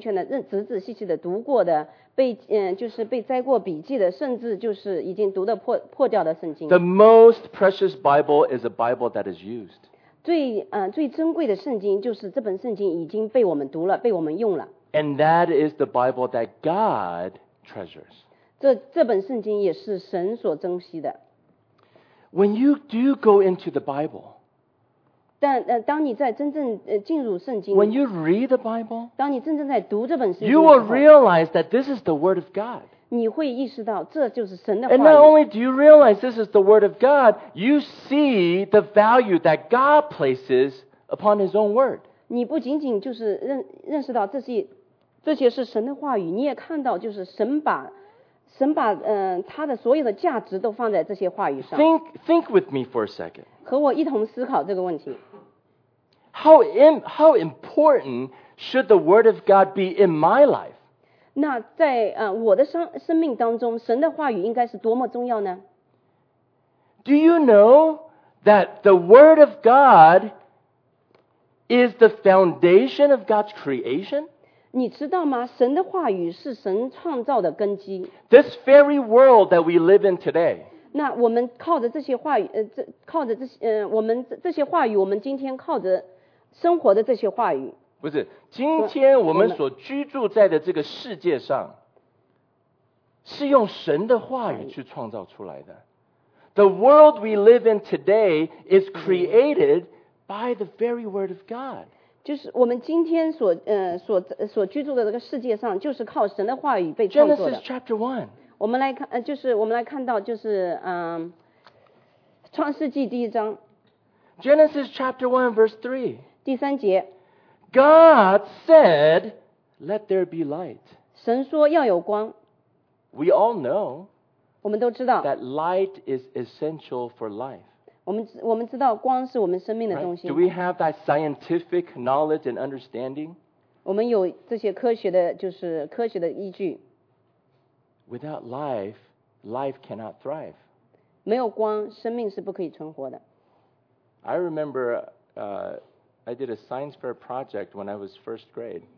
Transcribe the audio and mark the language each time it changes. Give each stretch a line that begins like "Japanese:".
Chinese: 我需要一本圣经就是被完完全全的仔仔细细的读过的。被摘过笔记的，甚至就是已经读得破掉的圣经。
English: The most precious Bible is a Bible that is used.
Chinese: 最珍贵的圣经就是这本圣经已经被我们读了，被我们用了。
English: And that is the Bible that God treasures.
Chinese: 这本圣经也是神所珍惜的。
English: When you do go into the Bible.
Chinese: 但当你在真正进入圣经，
English: When you read the Bible,
Chinese: 当你真正在读这本圣经，
English: You will realize that this is the Word of God.
Chinese: 你会意识到这就是神的话语。
English: And not only do you realize this is the Word of God, you see the value that God places upon His own Word.
Chinese: 你不仅仅就是认识到这些是神的话语， 你也看到就是神把神把他的所有的价值都放在这些话语上。
English: Think with me for a second.
Chinese: 和我一同思考这个问题。
English: How important should the word of God be in my life?
Chinese: 那在我的生命当中，神的话语应该是多么重要呢？
English: Do you know that the word of God is the foundation of God's creation?
Chinese: 你知道吗？神的话语是神创造的根基。
English: This very world that we live in today,
Chinese: 那我们靠着这些话语，靠着这些，我们这些话语，我们今天靠着生活的这些话语，不是今天我们所居住在的这个世界上是用神的话语去创造出来的。
English: The world we live in today is created by the very word of God.
Chinese: 就是我们今天 所居住的这个世界上就是靠神的话语被创造的。
English: Genesis chapter 1,
Chinese: 我们来看，就是我们来看到，就是创世纪第一章。
English: Genesis chapter 1 verse 3
Chinese: 第三节，
English: God said, "Let there be light."
Chinese: 神说要有光。
English: We all know,
Chinese: 我们都知道，
English: that light is essential for life.
Chinese: 我们知道光是我们生命的东西。
English: Do we have that scientific knowledge and understanding?
Chinese: 我们有这些科学的，就是科学的依据。
English: Without life, life cannot thrive.
Chinese: 没有光，生命是不可以存活的。
English: I remember, I did a science fair project when I was first grade.